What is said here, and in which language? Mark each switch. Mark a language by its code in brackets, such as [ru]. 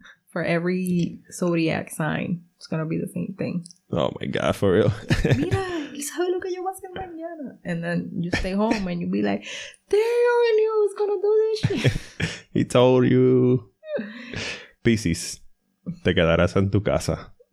[en] For every zodiac sign, it's going to be the same thing. Oh my God, for real. [es] Mira, ¿sabes lo que yo voy a hacer mañana? [en] And then you stay home and you be like, damn, I knew I was going to do this shit. He told you. [es] Pisces, te quedarás en tu casa.